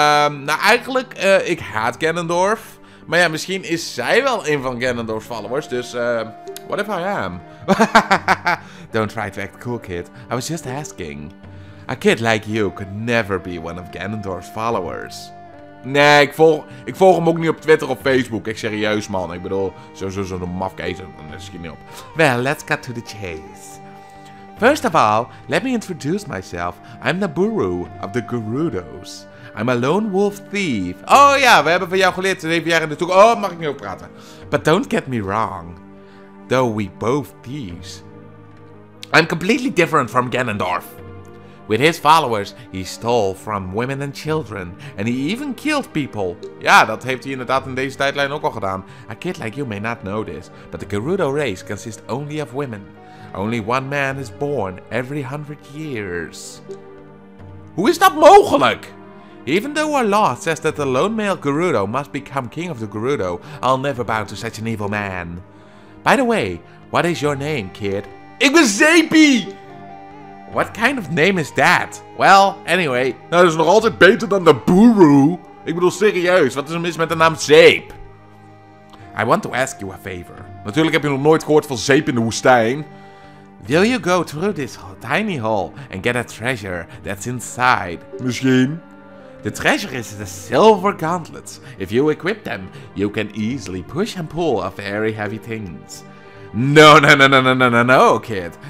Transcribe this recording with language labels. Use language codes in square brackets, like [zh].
[nl] Nou eigenlijk, ik haat Ganondorf. Maar ja, misschien is zij wel een van Ganondorf's followers, dus [en] what if I am? Don't try to act cool, kid. I was just asking. A kid like you could never be one of Ganondorf's followers. [nl] Nee, ik volg hem ook niet op Twitter of Facebook. Ik serieus, man. Ik bedoel, zo'n mafkezen. Dan is je niet op. [en] Well, let's cut to the chase. First of all, let me introduce myself. I'm Naburu of the Gerudos. I'm a lone wolf thief. [nl] Oh ja, we hebben van jou geleerd. 7 jaar in de toekomst. Oh, mag ik niet over praten. [en] But don't get me wrong. Though we both thieves. I'm completely different from Ganondorf. With his followers, he stole from women and children, and he even killed people. [nl] Ja, dat heeft hij inderdaad in deze tijdlijn ook al gedaan. [en] A kid like you may not know this, but the Gerudo race consists only of women. Only one man is born every 100 years. [nl] Hoe is dat mogelijk? [en] Even though our law says that the lone male Gerudo must become king of the Gerudo, I'll never bow to such an evil man. By the way, what is your name, kid? [nl] Ik ben Zeepie! [en] What kind of name is that? Well, anyway... [nl] Nou, dat is nog altijd beter dan de Buru. Ik bedoel, serieus, wat is er mis met de naam Zeep? [en] I want to ask you a favor. [nl] Natuurlijk heb je nog nooit gehoord van zeep in de woestijn. [en] Will you go through this tiny hole and get a treasure that's inside? [nl] Misschien. [en] The treasure is the silver gauntlets. If you equip them, you can easily push and pull a very heavy things. No, kid.